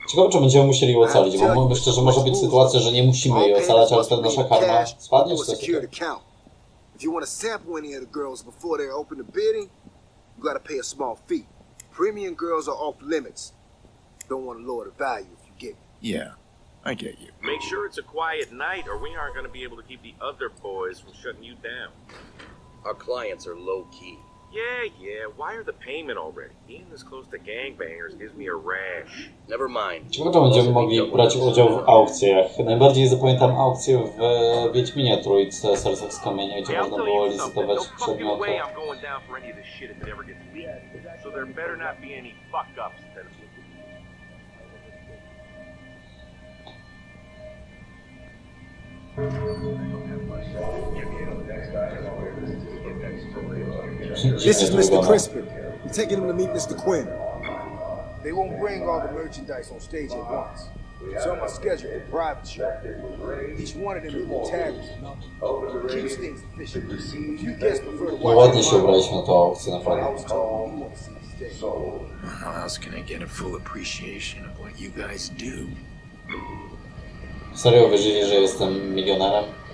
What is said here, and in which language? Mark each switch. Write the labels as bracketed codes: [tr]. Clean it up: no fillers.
[pl] Ciekawe, czy będziemy musieli jej ocalić, bo mówię szczerze, może być sytuacja, że nie musimy jej ocalać, ale wtedy nasza karma spadnie w sobie. [en] If you want to sample any of the girls before they open the bidding, you gotta pay a small fee. Premium girls are off limits. Don't want to lower the value if you get me. Yeah. I get you. Make sure it's a quiet night or we aren't going to be able to keep the other boys from shutting you down. Our clients are low-key. Yeah, yeah. Why are the payment already? Being this close to gangbangers gives me a rash. Never mind. [pl] Czemu to będziemy mogli brać udział w aukcjach? Najbardziej zapamiętam aukcję w Wiedźminie Trójce, Sercach z Kamienia, gdzie można było licytować przedmioty. [en] I'm going down for any of this shit if it ever gets leaked. So there better not be any fuck-ups. This is Mr. Crispin. I'm taking him to meet Mr. Quinn. They won't bring all the merchandise on stage at once. So I'm gonna schedule a private show. Each one of them will be tagged. Keeps things efficient. If you guys prefer to watch it, I was told you want to see the stage. How else can I get a full appreciation of what you guys do? [pl] Serio, wierzyli, że jestem milionerem?